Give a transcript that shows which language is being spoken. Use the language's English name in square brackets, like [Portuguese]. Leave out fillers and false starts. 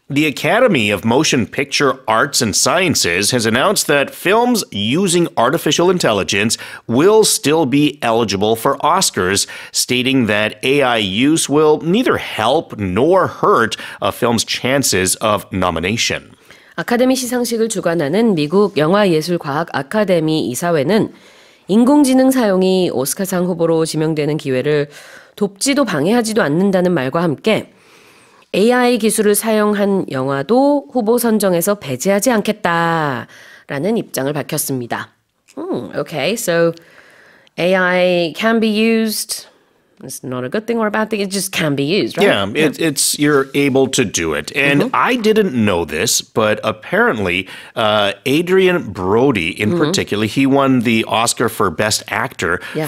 [English] The Academy of Motion Picture Arts and Sciences has announced that films using artificial intelligence will still be eligible for Oscars, stating that AI use will neither help nor hurt a film's chances of nomination. [Korean] 아카데미 시상식을 주관하는 미국 영화예술과학아카데미 이사회는 인공지능 사용이 오스카상 후보로 지명되는 기회를 돕지도 방해하지도 않는다는 말과 함께 AI 기술을 사용한 영화도 후보 선정에서 배제하지 않겠다라는 입장을 밝혔습니다. [English] Okay, so AI can be used. It's not a good thing or a bad thing. It just can be used, right? Yeah, it's you're able to do it. And mm-hmm. I didn't know this, but apparently Adrian Brody, in mm-hmm. particular, he won the Oscar for Best Actor yeah.